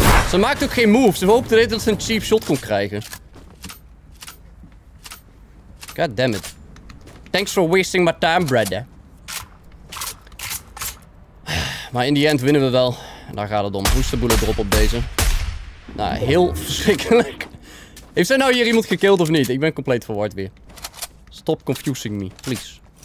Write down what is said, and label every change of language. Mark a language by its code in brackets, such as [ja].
[nl] Ze maakt ook geen move. Ze hoopte dat ze een cheap shot kon krijgen. [en] God damn it. Thanks for wasting my time, brother. [nl] Maar in the end winnen we wel. En daar gaat het om. Boosterbullet drop op deze. Nou, heel verschrikkelijk. Heeft zij nou hier iemand gekilled of niet? Ik ben compleet verward weer. [en] Stop confusing me, please.